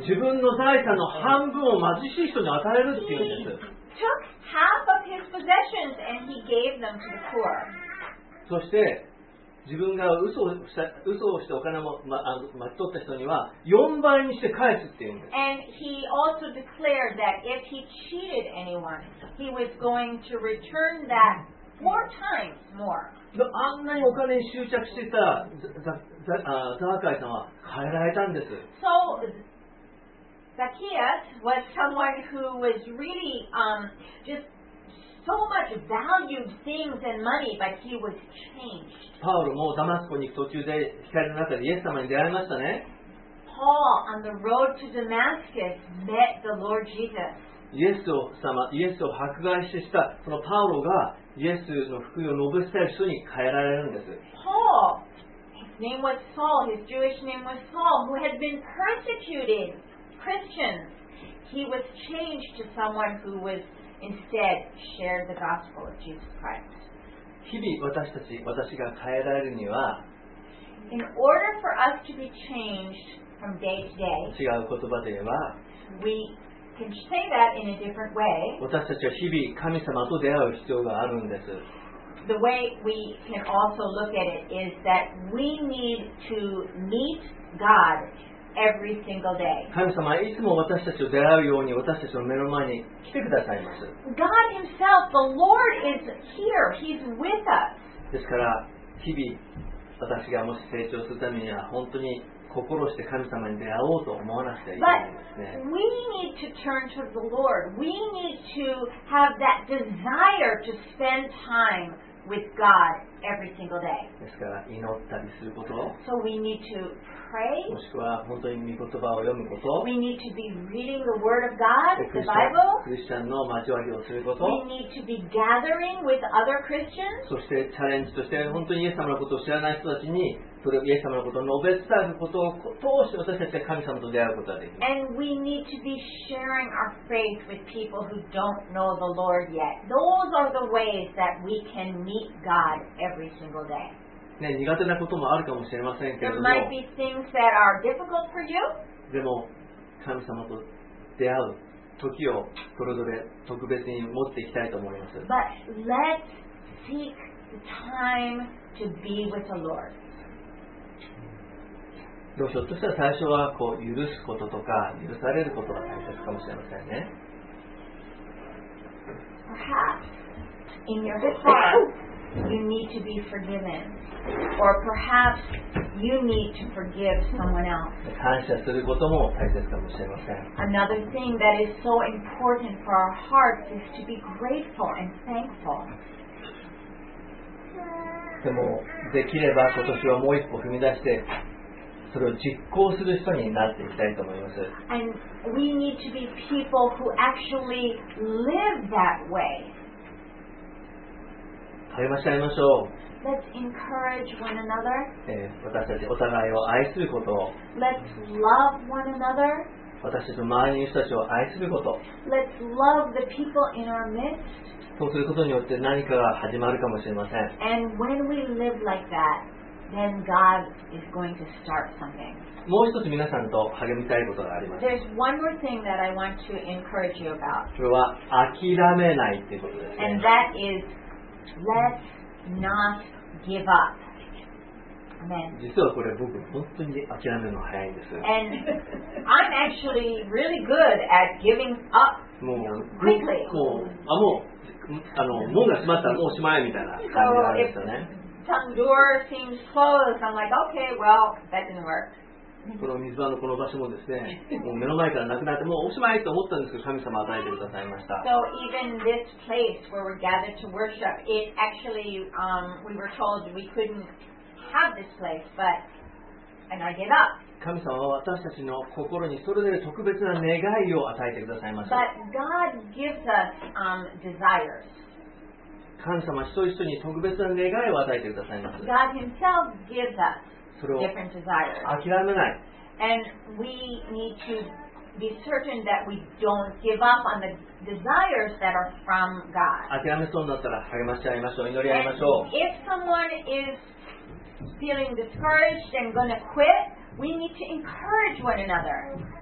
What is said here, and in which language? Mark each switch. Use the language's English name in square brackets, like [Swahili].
[Japanese] 自分の財産の半分を貧しい人に与えるって言うんです。 [English] He took half of his possessions and he gave them to the poor. [Japanese] そして自分が嘘をしてお金を、巻き取った人には4倍にして返すって言うんです。 [English] And he also declared that if he cheated anyone, he was going to return that four times more. [Japanese] あんなにお金に執着していたザーカイさんは変えられたんです。 [English] So, Zacchaeus was someone who was really, just so much valued things and money, but he was changed. [Japanese] パウロもダマスコに行く途中で光の中でイエス様に出会いましたね。 [English] Paul, on the road to Damascus, met the Lord Jesus. [Japanese] イエス様、イエスを迫害してしたそのパウロがイエスの福音を述べせる人に変えられるんです。 [English] Paul, his name was Saul, his Jewish name was Saul, who had been persecuting Christians. He was changed to someone who was instead shared the gospel of Jesus Christ. [Japanese] 日々私が変えられるには、 [English] In order for us to be changed from day to day, [Japanese] 違う言葉で言えば、 [English] we can say that in a different way. [Japanese] 私たちは日々神様と出会う必要があるんです。 [English] The way we can also look at it is that we need to meet God every single day. [Japanese] 神様はいつも私たちと出会うように私たちの目の前に来てくださいます。 [English] God himself, the Lord is here. He's with us. [Japanese] ですから日々私がもし成長するためには本当に心して神様に出会おうと思わなくてはいけないですね。 [English] But we need to turn to the Lord. We need to have that desire to spend time with God every single day. [Japanese] ですから祈ったりすること。 [English] So we need to pray. [Japanese] もしくは本当に御言葉を読むこと。 [English] We need to be reading the Word of God, the Bible. [Japanese] クリスチャンの交わりをすること。 [English] We need to be gathering with other Christians. [Japanese] そしてチャレンジとして本当にイエス様のことを知らない人たちに。それをイエス様のことを述べ伝えることを通して私たちは神様と出会うことができる。 [English] And we need to be sharing our faith with people who don't know the Lord yet. Those are the ways that we can meet God every single day. [Japanese] ね、苦手なこともあるかもしれませんけれども。 [English] There might be things that are difficult for you. [Japanese] でも神様と出会う時をそれぞれ特別に持っていきたいと思います。 [English] But let's seek the time to be with the Lord. [Japanese] でもひょっとしたら最初はこう許すこととか許されることが大切かもしれませんね。 [English] Perhaps in your heart you need to be forgiven, or perhaps you need to forgive someone else. [Japanese] 感謝することも大切かもしれません。 [English] Another thing that is so important for our hearts is to be grateful and thankful. [Japanese] でもできれば今年はもう一歩踏み出して。それを実行する人になっていきたいと思います。 [English] And we need to be people who actually live that way. [Japanese] 励まし合いましょう。 [English] Let's encourage one another. [Japanese] 私たちお互いを愛すること。 [English] Let's love one another. [Japanese] 私たちの周りの人たちを愛すること。 [English] Let's love the people in our midst. [Japanese] そうすることによって何かが始まるかもしれません。 [English] And when we live like that,Then God is going to start something. [Japanese] もう一つ皆さんと励みたいことがあります。 [English] There's one more thing that I want to encourage you about. [Japanese] それは諦めないっていうことです、ね。 [English] And that is, let's not give up. Amen. [Japanese] 実はこれ僕本当に諦めるの早いんです。 [English] And I'm actually really good at giving up quickly. [Japanese] もう門が閉まったらもうおしまいみたいな感じがあるんですよね。 [English] Some door seems closed. I'm like, okay, well, that didn't work. [Japanese] この水場のこの場所もですね、もう目の前からなくなって、もうおしまいと思ったんですけど、神様与えてくださいました。 [English] So even this place where we're gathered to worship, it actually, we were told we couldn't have this place, but [Japanese] 神様は私たちの心にそれぞれ特別な願いを与えてくださいました。 [English] But God gives us, desires. [Japanese] 神様は一人一人に特別な願いを与えてくださいました。 [English] God himself gives us different desires. [Japanese] それを諦めない。 [English] And we need to be certain that we don't give up on the desires that are from God. [Japanese] 諦めそうになったら励まし合いましょう、祈り合いましょう。 [English] And if someone is feeling discouraged and going to quit,We need to encourage one another.